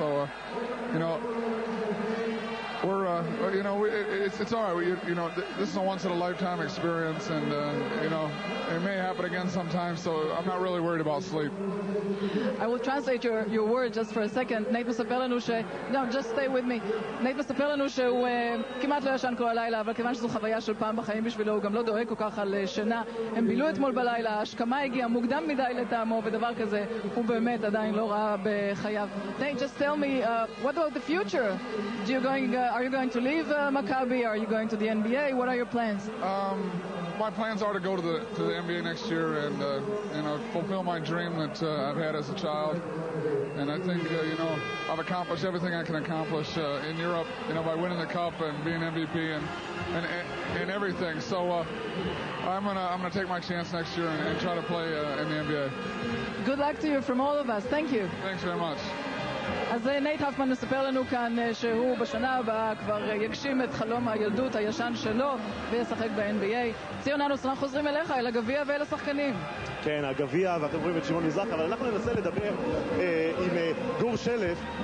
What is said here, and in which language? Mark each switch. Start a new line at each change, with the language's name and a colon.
English: So, you know, it's all right. This is a once-in-a-lifetime experience, and, you know, it may happen again sometime, so I'm not really worried about sleep. I will translate your word just for a second. Nate Mosapelanushe, no, just stay with me.
Hebrew: Nate Mosapelanushe, הוא כמעט לא ישן כל הלילה, אבל כיוון שזו חוויה של פעם בחיים בשבילו, הוא גם לא דואג כל כך על שינה. הם בילו אתמול בלילה, השכמה הגיעה מוקדם מדי לטעמו, ודבר כזה הוא באמת עדיין לא ראה בחייו.
English: Nate, just tell me, what about the future? Are you going to leave Maccabi? Are you going to the NBA? What are your plans? my plans are to go to the NBA next year and fulfill my dream that I've had as a child. And I think I've accomplished everything I can accomplish in Europe, by winning the cup and being MVP and everything. So I'm going to take my chance next year and try to play in the NBA. Good luck to you from all of us. Thank you. Thanks very much.
Hebrew: אז נייט הופמן מספר לנו כאן שהוא בשנה הבאה כבר יגשים את חלום הילדות הישן שלו וישחק ב-NBA. ציון אנוס, אנחנו חוזרים אליך, אל הגביע ואל השחקנים. כן, הגביע, ואתם רואים את שמעון מזרח, אבל אנחנו ננסה לדבר עם גור שלף.